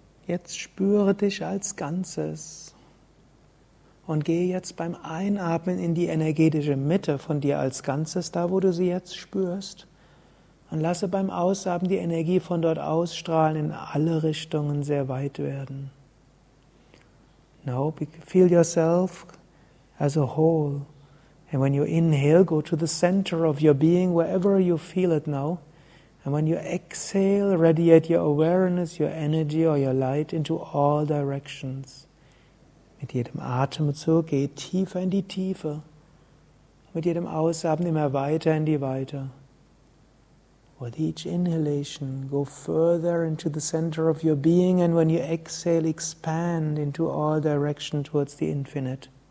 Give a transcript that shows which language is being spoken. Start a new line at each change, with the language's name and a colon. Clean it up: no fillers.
German: Jetzt spüre dich als Ganzes und gehe jetzt beim Einatmen in die energetische Mitte von dir als Ganzes, da wo du sie jetzt spürst. Und lasse beim Ausatmen die Energie von dort ausstrahlen, in alle Richtungen sehr weit werden.
English: Now feel yourself as a whole. And when you inhale, go to the center of your being, wherever you feel it now. And when you exhale, radiate your awareness, your energy or your light into all directions.
German: Mit jedem Atemzug geh tiefer in die Tiefe. Mit jedem Ausatmen immer weiter in die Weite.
English: With each inhalation, go further into the center of your being, and when you exhale, expand into all directions towards the infinite.